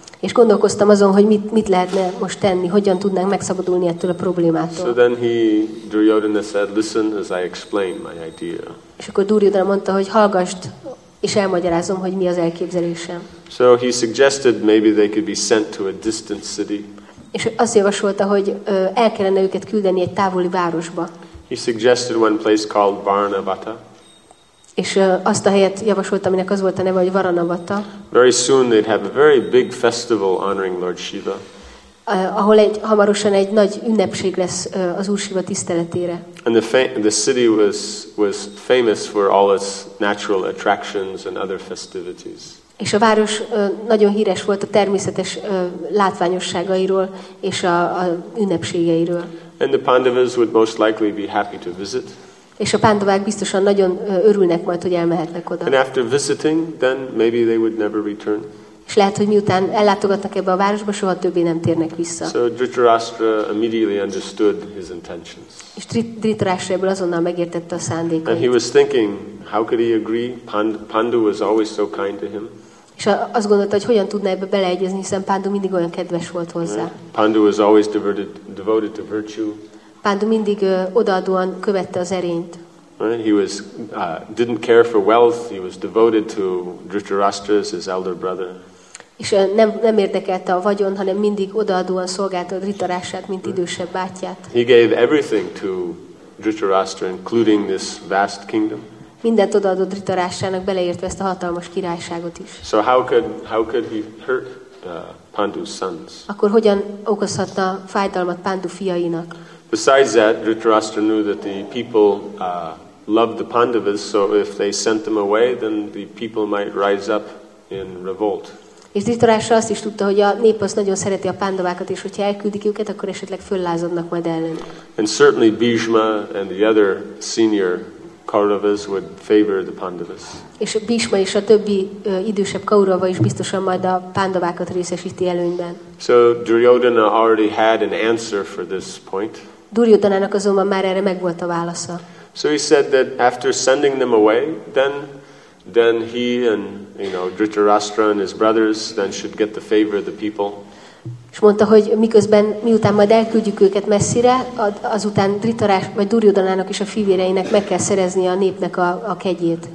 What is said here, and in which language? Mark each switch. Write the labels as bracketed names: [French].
[Hungarian] És gondolkoztam azon, hogy mit lehetne most tenni, hogyan tudnánk megszabadulni ettől a problémától. [English] So then he, Duryodhana said, listen as I explain my idea. [Hungarian] És akkor Duryodhana mondta, hogy hallgasd, és elmagyarázom, hogy mi az elképzelésem. [English] So he suggested maybe they could be sent to a distant city. [Hungarian] És azt javasolta, hogy el kellene őket küldeni egy távoli városba. [English] He suggested one place called Varnavata. [Hungarian] És azt a helyet javasolta, aminek az volt a neve, hogy Varanavata. [English] Very soon they'd have a very big festival honoring Lord Shiva. [Hungarian] Ahol hamarosan egy nagy ünnepség lesz az Úr Shiva tiszteletére. [English] And the city was famous for all its natural attractions and other festivities. [Hungarian] És a város nagyon híres volt a természetes látványosságairól és a ünnepségeiről. [English] And the Pandavas would most likely be happy to visit. [Hungarian] És a pándavák biztosan nagyon örülnek majd, hogy elmehetnek oda. [English] And after visiting, then maybe they would never return. [Hungarian] És lehet, hogy miután ellátogatnak ebbe a városba, soha többé nem térnek vissza. [English] So Dhritarashtra immediately understood his intentions. [Hungarian] És Dhritarashtra ebből azonnal megértette a szándékait. [English] And he was thinking, how could he agree? Pandu was always so kind to him. [Hungarian] És azt gondolta, hogy hogyan tudna ebbe beleegyezni, hiszen Pandu mindig olyan kedves volt hozzá. [English] Right. Pandu was always devoted to virtue. [Hungarian] Pandu mindig odaadóan követte az erényt. [English] Right. He was didn't care for wealth. He was devoted to Dhritarashtra, his elder brother. [Hungarian] És nem érdekelte a vagyon, hanem mindig odaadóan szolgálta Dhritarashtrát, mint idősebb bátyját. [English] He gave everything to Dhritarashtra, including this vast kingdom. [Hungarian] Mindent odaadott Dhritarashtrának, beleértve ezt a hatalmas királyságot is. [English] So how could he hurt Pandu's sons? [Hungarian] Akkor hogyan okozhatta fájdalmat Pandu fiainak? [English] Besides that, Dhritarashtra knew that the people loved the Pandavas, so if they sent them away, then the people might rise up in revolt. [Hungarian] És Dhritarashtra azt is tudta, hogy a nép az nagyon szereti a Pandavákat, és hogyha elküldik őket, akkor esetleg föllázadnak majd ellen. [English] And certainly Bhishma and the other senior Kauravas would favor the Pandavas. [Hungarian] És Bhishma és a többi idősebb Kaurava is biztosan majd a Pandavákat részesíti előnyben. [English] So Duryodhana already had an answer for this point. [Hungarian] Duryodhanának azonban már erre megvolt a válasza. [English] So he said that after sending them away, then he and, you know, Dhritarashtra and his brothers then should get the favor of the people. [Hungarian] És mondta, hogy miközben miután majd elküldjük őket messzire, azután Dhritarashtra vagy Duryodhanának és a fivéreinek meg kell szereznie a népnek a kegyét.